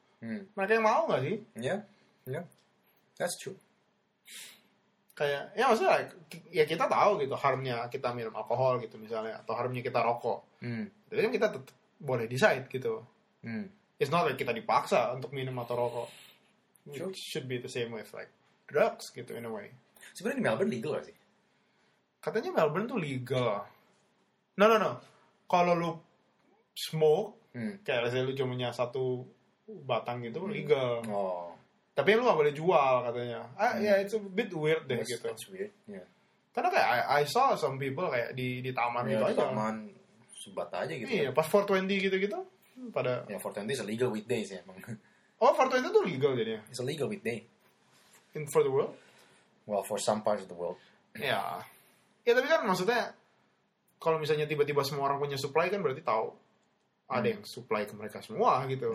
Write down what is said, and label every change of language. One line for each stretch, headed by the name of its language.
Indonesian: Mereka yang mau nggak sih?
English: Yeah, that's true.
Indonesian: Kayak, ya maksudnya, ya kita tahu gitu, harmnya kita minum alkohol gitu misalnya, atau harmnya kita rokok. Tapi kita boleh decide gitu. It's not like kita dipaksa untuk minum atau rokok.
English: It should be the same with like drugs gitu in a way.
Indonesian: Sebenarnya di Melbourne legal gak sih? Katanya Melbourne tuh legal. No. Kalau lu smoke, kayak misalnya lu cuma punya satu batang gitu, legal. Oh. Tapi lu gak boleh jual katanya.
English: Yeah, it's a bit weird deh gitu. That's weird, yeah.
Indonesian: Karena kayak I saw some people kayak di taman gitu aja. Di taman, sebat aja gitu. Iya, pas 420 gitu-gitu. Pada.
English: Ya, 420 is a legal weekday sih emang.
Indonesian: Oh, 420 tuh legal jadinya?
English: It's a legal weekday. In for the world? Well, for some parts of the world.
Indonesian: Ya, tapi kan maksudnya, kalau misalnya tiba-tiba semua orang punya supply kan berarti tahu ada yang supply ke mereka semua gitu.